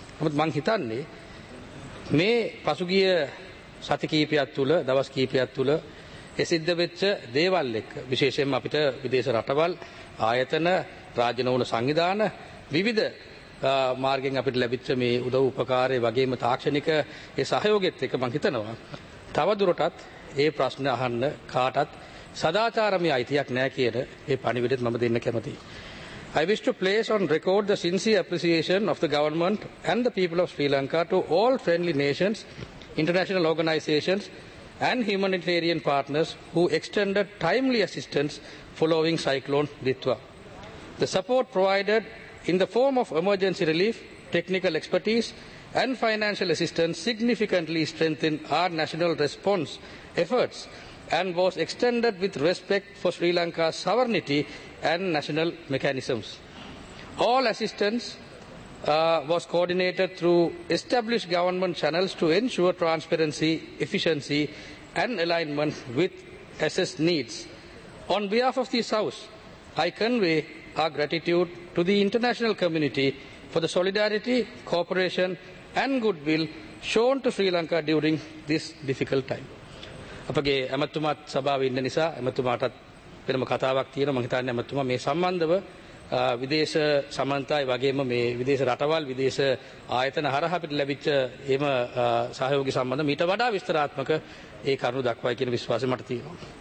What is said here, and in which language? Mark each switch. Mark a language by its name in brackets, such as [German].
[Sinhala] නමුත් මං හිතන්නේ මේ පසුගිය සති කීපයක් තුළ දවස් කීපයක් තුළ සිද්ධ වෙච්ච දේවල් එක්ක විශේෂයෙන්ම අපිට විදේශ රටවල් ආයතන රාජනවන සංවිධාන විවිධ මාර්ගෙන් අපිට ලැබිච්ච මේ උදව් උපකාරය වගේම තාක්ෂණික ඒ සහයෝගෙත් එක මං හිතනවා තවදුරටත් ඒ ප්‍රශ්න අහන්න කාටත් සදාචාරමය අයිතියක් නැහැ කියන ඒ පණිවිඩෙත් මම දෙන්න කැමතියි. [English] I wish to place on record the sincere appreciation of the government and the people of Sri Lanka to all friendly nations, international organizations and humanitarian partners who extended timely assistance following Cyclone Ditwa. The support provided in the form of emergency relief, technical expertise and financial assistance significantly strengthened our national response efforts and was extended with respect for Sri Lanka's sovereignty and national mechanisms. All assistance was coordinated through established government channels to ensure transparency, efficiency and alignment with SS needs. On behalf of this House, I convey our gratitude to the international community for the solidarity, cooperation and goodwill shown to Sri Lanka during this difficult time. [Sinhala] අපගේ ඇමතුමත් සභාවේ ඉන්න නිසා ඇමතුමාටත් වෙනම කතාවක් තියෙනවා. මම හිතන්නේ ඇමතුමා මේ සම්බන්ධව විදේශ සමන්තයි වගේම මේ විදේශ රටවල් විදේශ ආයතන හරහා අපිට ලැබිච්ච එම සහයෝගය සම්බන්ධ මීට වඩා විස්තරාත්මක ඒ කරුණු දක්වයි කියන විශ්වාසය මට තියෙනවා.